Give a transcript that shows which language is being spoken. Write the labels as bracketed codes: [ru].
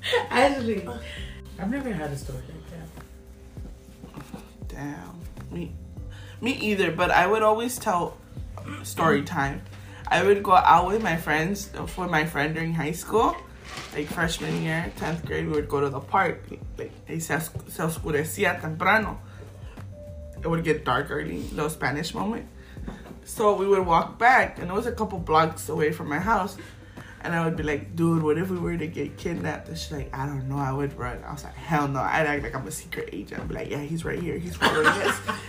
[en] Actually, I've never had a story like that. Damn. Me either, but I would always tell story time. I would go out with my friends, for my friend during high school, like freshman year, 10th grade, we would go to the park. [es] Like, se oscurecía temprano. [en] It would get dark early, [es] little Spanish moment. [en] So we would walk back, and it was a couple blocks away from my house. And I would be like, dude, what if we were to get kidnapped? And she's like, I don't know. I would run. I was like, hell no. I'd act like I'm a secret agent. I'd be like, yeah, he's right here. He's following us.